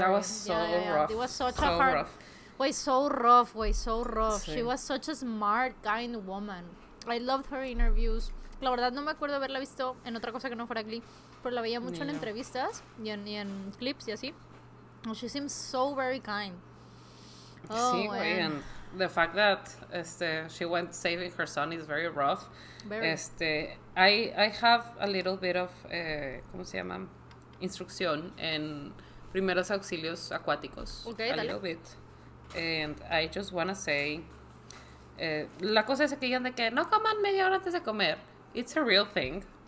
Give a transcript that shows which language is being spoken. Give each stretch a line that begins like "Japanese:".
English: That was so rough. It was such so a hard. Rough. Way so rough. Sí. She was such a smart, kind woman. I loved her interviews.
Spanish: La verdad no me acuerdo haberla visto en otra cosa que no fuera Glee, pero la veía mucho en entrevistas y en clips y así.
English: She seems so very kind. Oh, sí, güey, and the fact that she went saving her son is very rough. Very. I have a little bit of,
Spanish: ¿cómo se llama? Instrucción en primeros auxilios acuáticos. Okay, a dale.
English: Little bit. And I just wanna say,
Spanish: la cosa es que digan de que no coman media hora antes de comer.
English: It's a real thing.